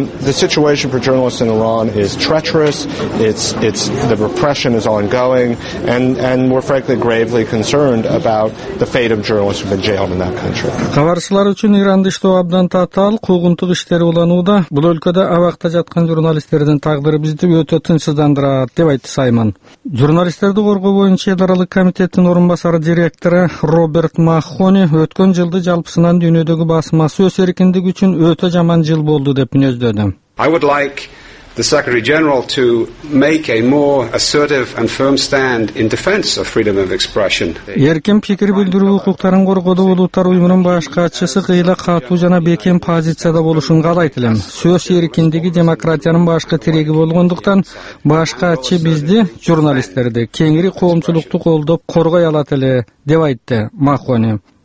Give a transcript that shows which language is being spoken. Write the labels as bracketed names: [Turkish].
[English] The situation for journalists in Iran is treacherous. It's the repression is ongoing and more frankly gravely concerned about the fate of journalists who have been jailed in that country. [Kyrgyz] Кабарчылар үчүн Иранды иштөө абдан татаал, куугунтук иштери уланууда. Бул өлкөдө абакта жаткан журналисттердин тагдыры бизди өтө тынчсыздандырат, деп айтты Сайман. Журналисттерди коргоо боюнча эл аралык комитеттин орун басары директору Роберт Махони өткөн жылды жалпысынан дүйнөдөгү басма сөз эркиндиги үчүн өтө жаман жыл болду деп мүнөздөдү. [English] I would like the Secretary General to make a more assertive and firm stand in defense of freedom of expression. [Kyrgyz] Эркин пикир билдирүү укуктарын коргоодо Улуттар Уюмунун баш катчысы кыйла катуу жана бекем позицияда болушун каалайт элем. Сөз эркиндиги демократиянын башкы тиреги болгондуктан баш катчы бизди, журналисттерди, кеңири коомчулукту колдоп коргой алат эле, деп айтты Махони.